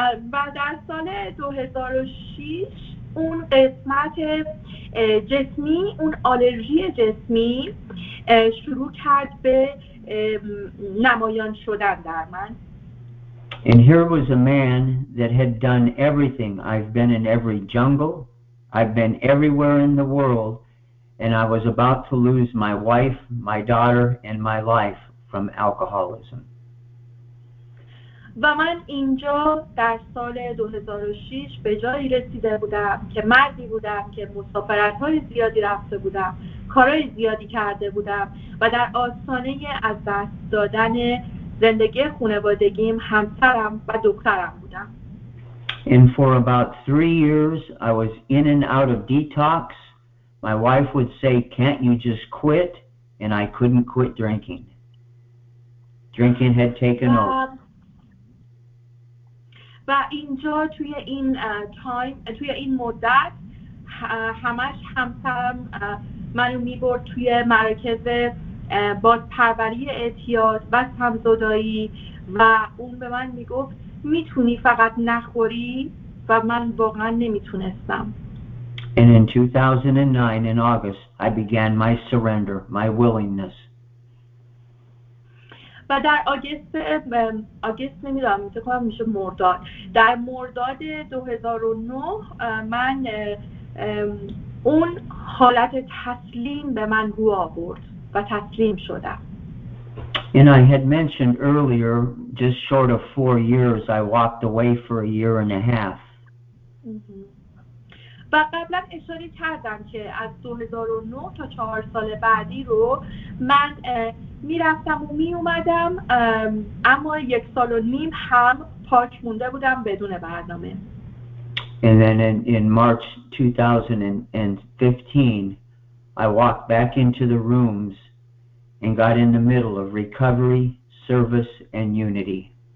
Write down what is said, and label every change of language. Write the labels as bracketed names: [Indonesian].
[Persian] بعد از سال 2006 اون قسمت جسمی، اون آلرژی جسمی شروع کرد به نمایان شدن در من. [English] And here was a man that had done everything. I've been in every jungle. I've been everywhere in the world. And I was about to lose my wife, my daughter, and my life from alcoholism. [Persian] و من اینجا در سال 2006 به جایی رسیده بودم که مردی بودم که مسافرت‌های زیادی رفته بودم، کارهای زیادی کرده بودم و در آستانه از دست دادن زندگی خانوادگیم، همسرم و دخترم بودم. [English] And for about 3 years I was in and out of detox. My wife would say, "Can't you just quit?" And I couldn't quit drinking. drinking had taken over. [Persian] و اینجا توی این تایم توی این مدت همش همسرم منو میبرد توی مرکز بازپروری اعتیاد و سمزدایی و اون به من میگفت میتونی فقط نخوری و من واقعا نمیتونستم. [English] And in 2009 in August I began my surrender, my willingness. [Persian] و در آگست نمیدونم میشه کنم میشه مرداد در مرداد 2009 من اون حالت تسلیم به من رو آورد و تسلیم شدم. [English] And I had mentioned earlier just short of 4 years I walked away for a year and a half. [Persian] و قبلا اشاره کردم که از 2009 تا 4 سال بعدی رو من میرفتم و میومدم اما یک سال و نیم هم پاک مونده بودم بدون برنامه. [English] And then in March 2015 I walked back into the rooms and got in the middle of recovery, service and unity.